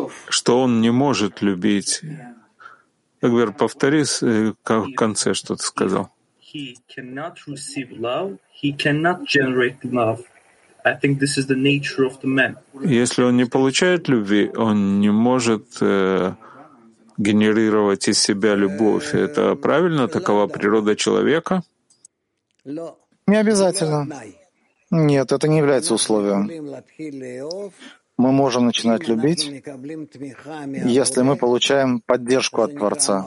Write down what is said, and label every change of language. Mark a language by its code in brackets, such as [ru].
[ru] Что он не может любить? Эгбер, повтори, как в конце что ты сказал. [en] He cannot receive love, he cannot generate love. I think this is the nature of the man. [ru] Если он не получает любви, он не может генерировать из себя любовь. Это правильно, такова природа человека? Не обязательно. Нет, это не является условием. Мы можем начинать любить, если мы получаем поддержку от Творца.